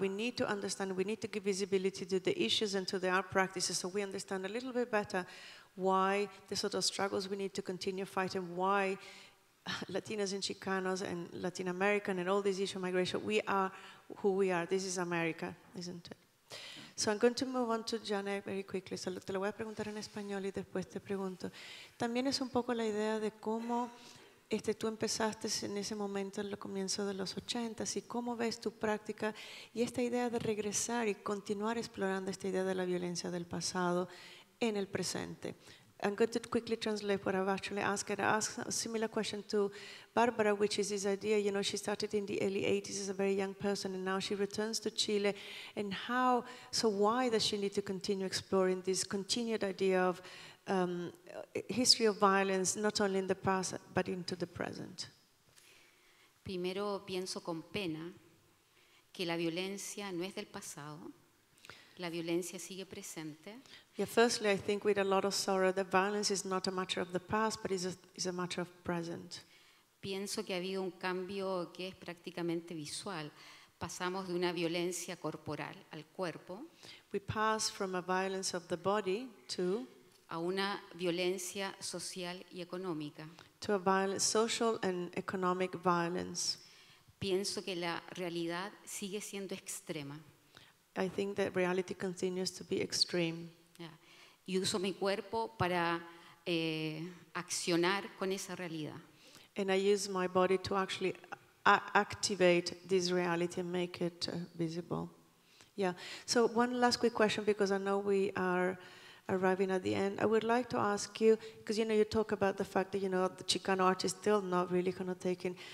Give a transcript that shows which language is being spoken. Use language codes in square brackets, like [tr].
[en] We need to understand, we need to give visibility to the issues and to the art practices so we understand a little bit better why the sort of struggles we need to continue fighting, why Latinas and Chicanos and Latin American and all these issues of migration, we are who we are. This is America, isn't it? So I'm going to move on to Janet very quickly. [es] So te lo voy a preguntar en español y después te pregunto. También es un poco la idea de cómo tú empezaste en ese momento, en los comienzos de los 80s, y cómo ves tu práctica y esta idea de regresar y continuar explorando esta idea de la violencia del pasado en el presente. [en] I'm going to quickly translate what I've actually asked. I asked a similar question to Barbara, which is this idea, you know, she started in the early 80s as a very young person, and now she returns to Chile, and how, so why does she need to continue exploring this continued idea of history of violence, not only in the past, but into the present? [es] Primero pienso con pena que la violencia no es del pasado. La violencia sigue presente. [en] Yeah, firstly, I think with a lot of sorrow that violence is not a matter of the past, but is a matter of present. [es] Pienso que ha habido un cambio que es prácticamente visual. Pasamos de una violencia corporal al cuerpo. [en] We pass from a violence of the body to [es] a una violencia social y económica. [en] To a violent social and economic violence. [es] Pienso que la realidad sigue siendo extrema. [en] I think that reality continues to be extreme. Yeah. [es] Y uso mi cuerpo para accionar con esa realidad. [en] And I use my body to actually activate this reality and make it visible. Yeah. So one last quick question, because I know we are arriving at the end. I would like to ask you, because you know you talk about the fact that you know the Chicano art is still not really kind of taken.